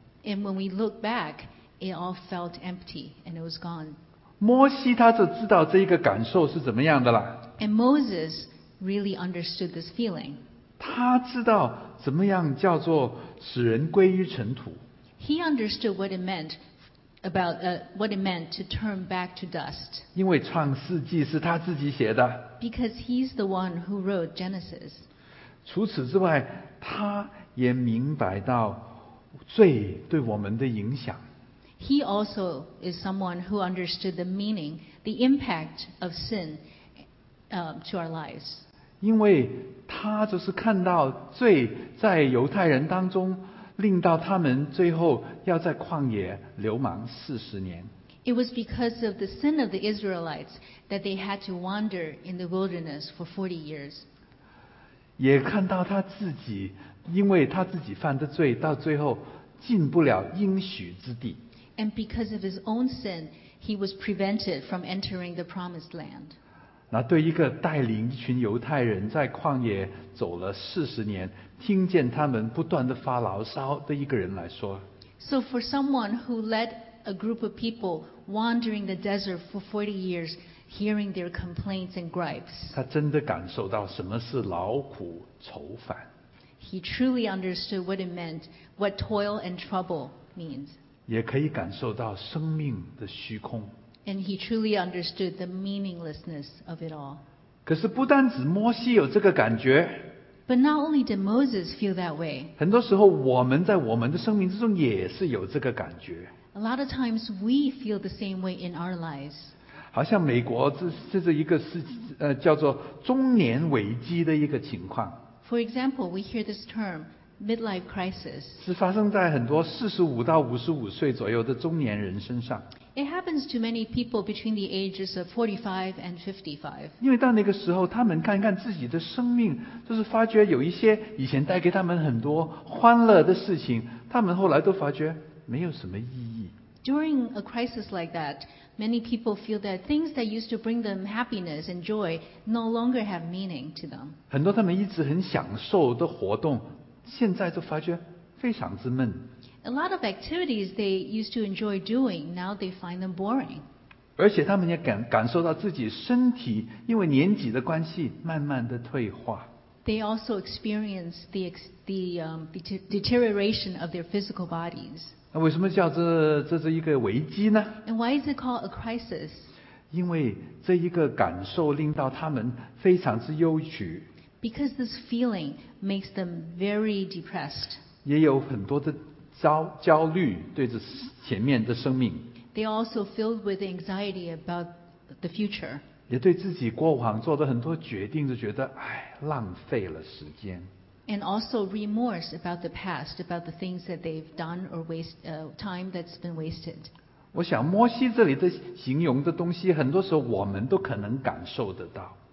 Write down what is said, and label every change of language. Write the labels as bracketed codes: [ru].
[en] And when we look back, it all felt empty and it was gone. [zh] 摩西他就知道这一个感受是怎么样的啦。 [en] And Moses really understood this feeling. [zh] 他知道怎么样叫做使人归于尘土。 [en] He understood what it meant about what it meant to turn back to dust. [zh] 因为创世纪是他自己写的。 [en] Because he's the one who wrote Genesis. [zh] 除此之外，他也明白到罪对我们的影响。 [en] He also is someone who understood the meaning, the impact of sin, to our lives. [zh] 因为他就是看到罪在犹太人当中，令到他们最后要在旷野流亡四十年。 [en] It was because of the sin of the Israelites that they had to wander in the wilderness for 40 years. [zh] 也看到他自己，因为他自己犯的罪，到最后进不了应许之地。 [en] And because of his own sin, he was prevented from entering the promised land. [zh] 那对一个带领一群犹太人在旷野走了四十年，听见他们不断的发牢骚的一个人来说 [en] ，So for someone who led a group of people wandering the desert for 40 years, hearing their complaints and gripes, [zh] 他真的感受到什么是劳苦愁烦。 [en] He truly understood what it meant, what toil and trouble means. [zh] 也可以感受到生命的虚空。 [en] And he truly understood the meaninglessness of it all. [zh] 可是不单只摩西有这个感觉。 [en] But not only did Moses feel that way. [zh] 很多时候我们在我们的生命之中也是有这个感觉。 [en] A lot of times we feel the same way in our lives. [zh] 好像美国这是一个是叫做中年危机的一个情况。 [en] For example, we hear this term, midlife crisis. [zh] 是发生在很多45到55岁左右的中年人身上。 [en] It happens to many people between the ages of 45 and 55. [zh] 因为到那个时候，他们看看自己的生命，就是发觉有一些以前带给他们很多欢乐的事情，他们后来都发觉没有什么意义。 [en] During a crisis like that, many people feel that things that used to bring them happiness and joy no longer have meaning to them. [zh] 很多他们一直很享受的活动，现在都发觉非常之闷。 [en] A lot of activities they used to enjoy doing, now they find them boring. [zh] 而且他们也感受到自己身体因为年纪的关系慢慢的退化。 [en] They also experience the deterioration of their physical bodies. [zh] 那为什么叫这是一个危机呢？ [en] And why is it called a crisis? [zh] 因为这一个感受令到他们非常之忧郁。 [en] Because this feeling makes them very depressed. [zh] 也有很多的焦虑对着前面的生命。 [en] They also filled with anxiety about the future. [zh] 也对自己过往做的很多决定就觉得浪费了时间。 [en] And also remorse about the past, about the things that they've done or time that's been wasted. [zh] 我想摩西这里的形容的东西，很多时候我们都可能感受得到。